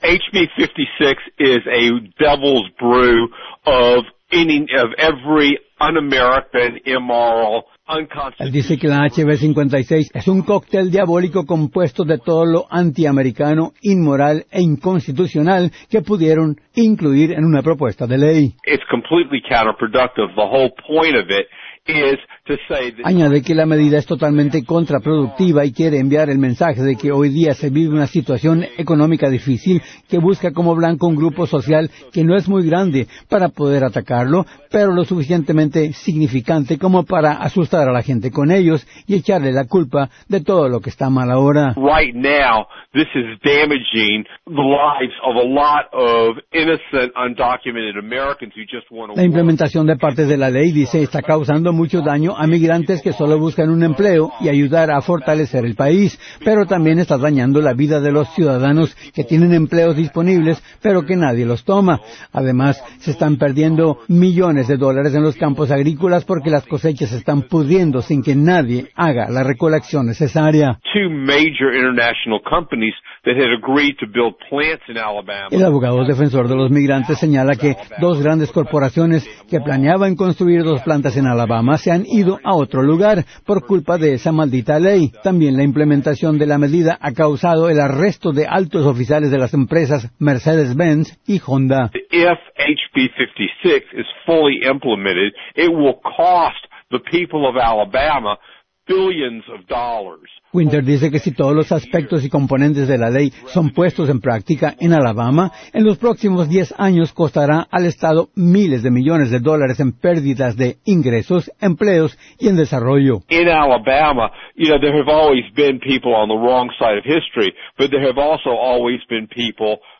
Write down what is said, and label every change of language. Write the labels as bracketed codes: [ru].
[en] HB56 is a devil's brew of every un-American immoral. [es] Él dice que la HB56 es un cóctel diabólico compuesto de todo lo antiamericano, inmoral e inconstitucional que pudieron incluir en una propuesta de ley. [en] It's completely counterproductive. The whole point of it is to say that... [es] Añade que la medida es totalmente contraproductiva y quiere enviar el mensaje de que hoy día se vive una situación económica difícil que busca como blanco un grupo social que no es muy grande para poder atacarlo, pero lo suficientemente significante como para asustar a la gente con ellos y echarle la culpa de todo lo que está mal ahora. [en] Right now, this is damaging the lives of a lot of innocent, undocumented Americans who just want to... [es] La implementación de partes de la ley, dice, está causando mucho daño a migrantes que solo buscan un empleo y ayudar a fortalecer el país, pero también está dañando la vida de los ciudadanos que tienen empleos disponibles, pero que nadie los toma. Además, se están perdiendo millones de dólares en los campos agrícolas porque las cosechas están pudriendo sin que nadie haga la recolección necesaria. El abogado defensor de los migrantes señala que dos grandes corporaciones que planeaban construir dos plantas en Alabama se han ido a otro lugar por culpa de esa maldita ley. También la implementación de la medida ha causado el arresto de altos oficiales de las empresas Mercedes-Benz y Honda. [en] If HB56 is fully implemented, it will cost the people of Alabama billions of dollars. [es] Winter dice que si todos los aspectos y componentes de la ley son puestos en práctica en Alabama, en los próximos 10 años costará al Estado miles de millones de dólares en pérdidas de ingresos, empleos y en desarrollo. [en] In Alabama, you know, there have always been people on the wrong side of history, but there have also always been people...